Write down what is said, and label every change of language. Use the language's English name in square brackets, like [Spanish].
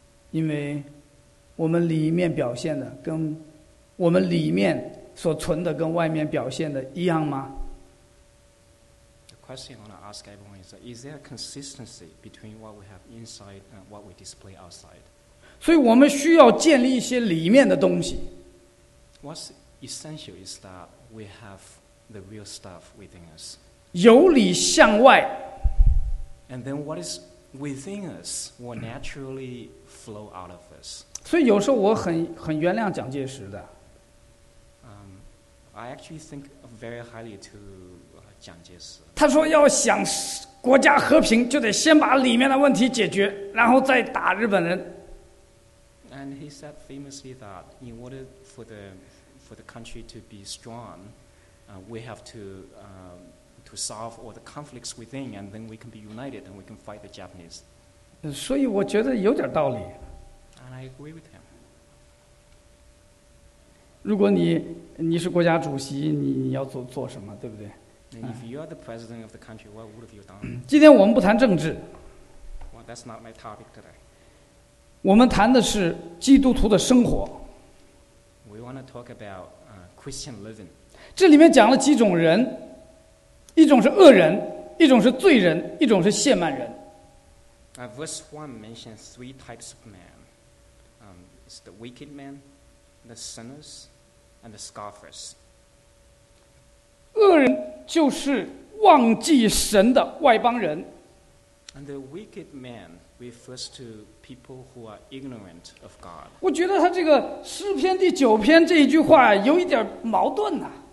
[Chinese] 因为我们里面表现的跟我们里面所存的跟外面表现的一样吗？ [English] The question I want to ask everyone is there a consistency between what we have inside and what we display outside? [Chinese] 所以我们需要建立一些里面的东西。 [English] What's essential is that we have the real stuff within us. [Chinese] 由里向外。 [English] And then what is within us will naturally flow out of us. [Chinese] 所以有时候我很原谅蒋介石的。 [English] I actually think very highly to 蒋介石。 [Chinese] 他说要想国家和平，就得先把里面的问题解决，然后再打日本人。 [English] And he said famously that in order for the country to be strong, we have to solve all the conflicts within, and then we can be united and we can fight the Japanese. [Chinese] 所以我觉得有点道理。 [English] And I agree with him. [Chinese] 如果你是国家主席，你要做什么，对不对 [English] ？And if you are the president of the country, what would you do? [Chinese] 今天我们不谈政治。 [English] Well, that's not my topic today. [Chinese] 我们谈的是基督徒的生活。 [English] We want to talk about Christian living. [Chinese] 这里面讲了几种人，一种是恶人，一种是罪人，一种是亵慢人。 [English] Verse 1 mentions three types of man. It's the wicked man, the sinners, and the scoffers. [Chinese] 恶人就是忘记神的外邦人。 [English] And the wicked man refers to people who are ignorant of God. [Chinese] 我觉得他这个诗篇第九篇这一句话有一点矛盾啊。